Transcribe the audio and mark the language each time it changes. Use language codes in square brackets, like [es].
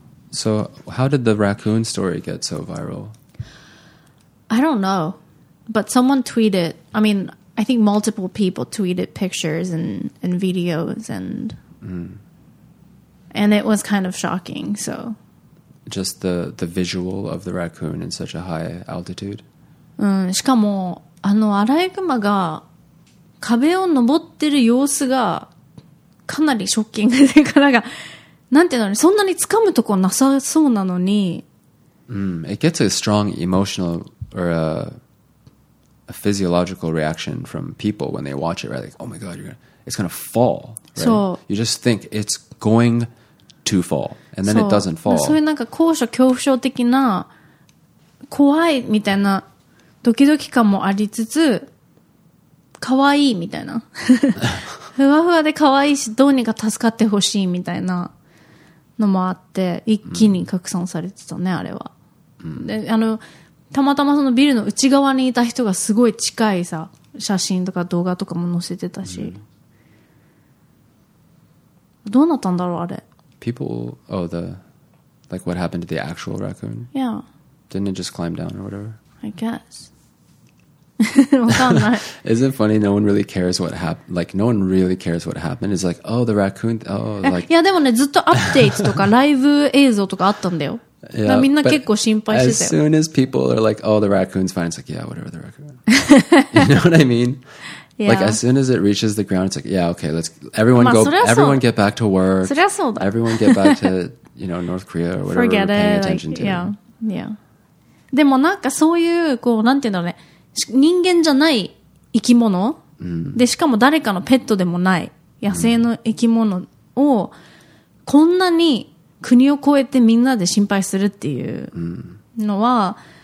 [en] So how did the raccoon story get so viral? I don't know. But someone tweeted, I mean, I think multiple people tweeted pictures and videos and it was kind of shocking, so. Just the visual of the raccoon in such a high altitude? [ja] しかも、あのアライグマが壁を登ってる様子がかなりショッキングで、なんか、なんていうのね、そんなに掴むとこなさそうなのに。 [en] It gets a strong emotional or a physiological reaction from people when they watch it, right? Like, oh my god, it's gonna fall, right? So, you just think it's going to fall, and then it doesn't fall. [ja] そういうなんか高所恐怖症的な怖いみたいなドキドキ感もありつつ、かわいいみたいな。ふわふわでかわいいし、どうにか助かってほしいみたいなのもあって、一気に拡散されてたね、あれは。で、あの、たまたまそのビルの内側にいた人がすごい近いさ、写真とか動画とかも載せてたし。どうなったんだろう、あれ。 [en] People, oh, the, like what happened to the actual raccoon? Yeah. Didn't it just climb down or whatever? I guess. [ja] わかんない。 [en] Is it funny? No one really cares what happened. Like, no one really cares what happened. It's like, oh, the raccoon. Oh, like. [ja] いやでもね、ずっとアップデートとかライブ映像とかあったんだよ。 [en] Yeah, [ja] みんな結構心配してたよ。 [en] As soon as people are like, oh, the raccoon's fine, it's like, yeah, whatever, the raccoon. You know what I mean? Yeah. Like, as soon as it reaches the ground, it's like, yeah, okay, let's, everyone go, everyone get back to work. [ja] そりゃそうだ。 [en] Everyone get back to, you know, North Korea or whatever Forget we're paying it, attention like, to. Yeah. Yeah. [ja] でもなんかそういう、こう、なんていうんだろうね。人間じゃない生き物、で、しかも誰かのペットでもない野生の生き物を、こんなに国を越えてみんなで心配するっていうのは、